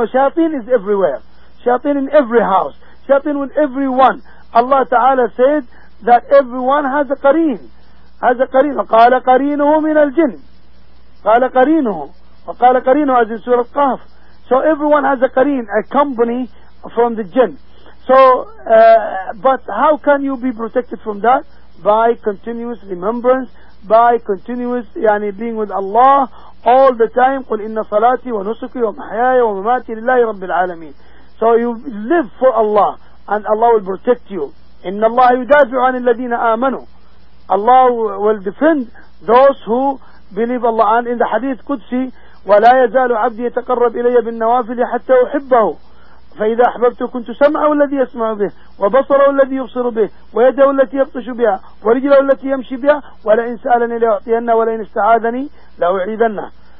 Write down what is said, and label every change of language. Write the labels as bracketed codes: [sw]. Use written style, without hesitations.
[en] No, shayateen is everywhere. Shayateen in every house. Shayateen with everyone. Allah Ta'ala said that everyone has a qareen. Has a qareen. [ar] قَالَ قَرِينُهُ مِنَ الْجِنِّ قَالَ قَرِينُهُ وَقَالَ قَرِينُهُ [en] as in Surah Qaf. So everyone has a qareen, a company from the jinn. So, but how can you be protected from that? By continuous remembrance, by continuous being with Allah all the time. [ar] قُلْ إِنَّ صَلَاتِي وَنُسُكِي وَمَحْيَايَ وَمَمَاتِي لِلَّهِ رَبِّ الْعَالَمِينَ. [en] So you live for Allah, and Allah will protect you. [ar] إِنَّ اللَّهَ يُدَافِعُ عَنِ الَّذِينَ آمَنُوا. [en] Allah will defend those who believe Allah. And in the hadith Qudsi, [ar] وَلَا يَزَالُ عَبْدِي يَتَقَرَّبْ إِلَيَّ بِالنَّوَافِلِ حَتَّى أُحِبَّهُ. فإذا أحببته كنت سمعه الذي يسمع به وبصره الذي يبصر به ويده التي يبطش بها ورجله التي يمشي بها ولئن سألني ليعطينه ولئن استعاذني لأعيدنه.